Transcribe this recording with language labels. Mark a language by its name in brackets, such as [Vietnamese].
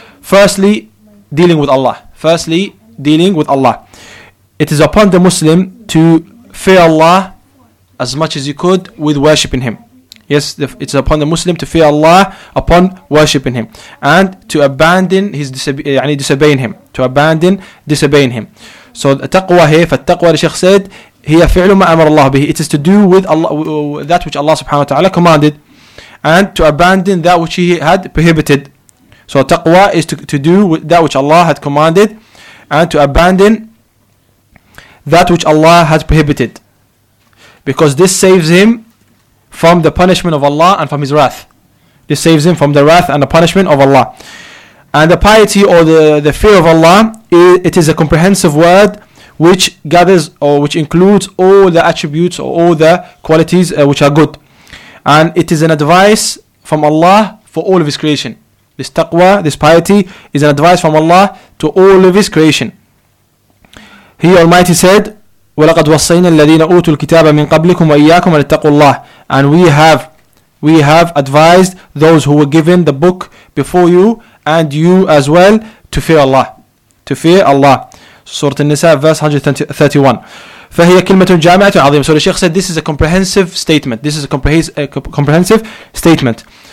[English] Firstly, dealing with Allah. Firstly, dealing with Allah. It is upon the Muslim to fear Allah as much as you could with worshipping Him. Yes, it's upon the Muslim to fear Allah upon worshipping Him and to abandon disobeying Him. So taqwa here, فالتقوى, the Shaykh said, [Arabic] هي فعل ما أمر الله به. [English] It is to do with Allah, that which Allah subhanahu wa ta'ala commanded, and to abandon that which He had prohibited. So taqwa is to do with that which Allah had commanded and to abandon that which Allah had prohibited. Because this saves him from the punishment of Allah and from his wrath. This saves him from the wrath and the punishment of Allah. And the piety or the fear of Allah, it is a comprehensive word which gathers or which includes all the attributes or all the qualities which are good. And it is an advice from Allah for all of his creation. This taqwa, this piety, is an advice from Allah to all of his creation. He Almighty said, [Arabic] وَلَقَدْ وَصَّيْنَا الَّذِينَ أُوتُوا الْكِتَابَ مِنْ قَبْلِكُمْ وَإِيَّاكُمْ أَنِ اتَّقُوا اللَّهَ. [English] And we have advised those who were given the book before you and you as well to fear Allah. To fear Allah. Surah An-Nisa, verse 131. [Arabic] فَهِيَ كِلْمَةٌ جَامِعَةٌ عَظِيمٌ. [English] So the Shaykh said, this is a comprehensive statement. This is a comprehensive statement.